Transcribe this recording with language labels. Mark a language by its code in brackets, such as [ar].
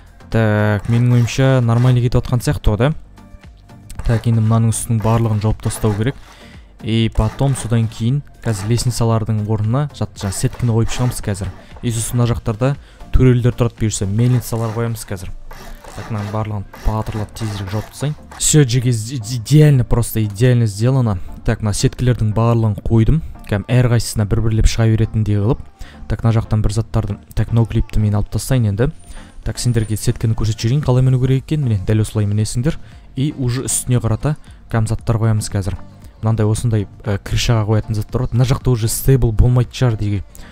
[kk] Так, менің ойымша нормально кетіп отқан сияқты ғой да. Так, енді мынаның үстінің барлығын жауып тастау керек. И потом содан кейін қазір лестницалардың орнына жаңа сеткіні қойып шығамыз қазір. И сосын мына жақтарда төрелілер тұрады бұйырса мельницалар қоямыз қазір. Так, мынаның барлығын батырлап тезірек жауып тастайын. [ru] Все, жеке идеально, просто идеально сделано. [kk] Так, мына сеткілердің барлығын қойдым. Кәдімгі әрқайсысына бір бірлеп шыға беретіндей қылып. Так, мына жақтан бір заттарды. Так, ноклипті мен алып тастайын енді. Так, сендерге сеткіні көрсетіп жіберейін қалай міну керек екен. Міне дәл осылай мінесіңдер. И уже үстіне қарата кәдімгі заттар қоямыз қазір. Мынандай осындай крышаға қоятын заттар болады. Мына жақта уже стейбл болмайтын шығар деген.